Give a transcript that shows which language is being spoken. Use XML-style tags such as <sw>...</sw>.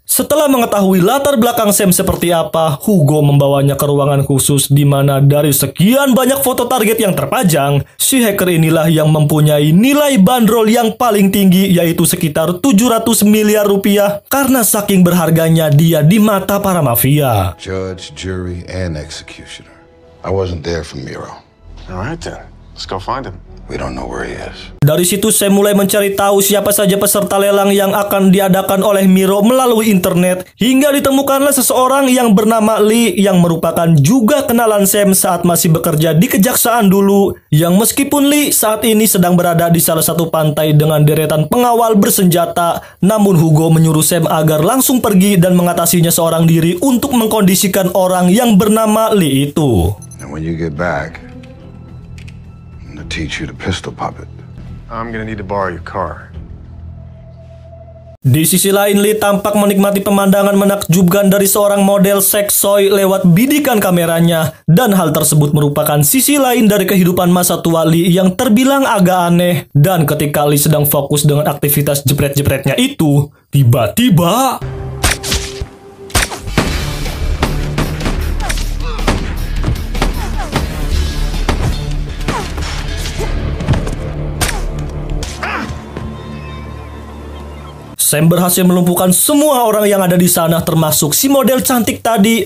<id>Setelah mengetahui latar belakang Sam seperti apa, Hugo membawanya ke ruangan khusus di mana dari sekian banyak foto target yang terpajang, si hacker inilah yang mempunyai nilai bandrol yang paling tinggi, yaitu sekitar 700 miliar rupiah karena saking berharganya dia di mata para mafia.</id> <en>Judge, jury, and executioner. I wasn't there for Miro. All right then, let's go find him. We don't know where he is.</en> <id>Dari situ Sam mulai mencari tahu siapa saja peserta lelang yang akan diadakan oleh Miro melalui internet, hingga ditemukanlah seseorang yang bernama Lee yang merupakan juga kenalan Sam saat masih bekerja di kejaksaan dulu, yang meskipun Lee saat ini sedang berada di salah satu pantai dengan deretan pengawal bersenjata, namun Hugo menyuruh Sam agar langsung pergi dan mengatasinya seorang diri untuk mengkondisikan orang yang bernama Lee itu.</id> <en>And when you get back, to teach you the pistol puppet. I'm gonna need to borrow your car.</en> <id>Di sisi lain, Lee tampak menikmati pemandangan menakjubkan dari seorang model seksoi lewat bidikan kameranya, dan hal tersebut merupakan sisi lain dari kehidupan masa tua Lee yang terbilang agak aneh. Dan ketika Lee sedang fokus dengan aktivitas jepret-jepretnya itu, tiba-tiba Sam berhasil melumpuhkan semua orang yang ada di sana, termasuk si model cantik tadi.</id>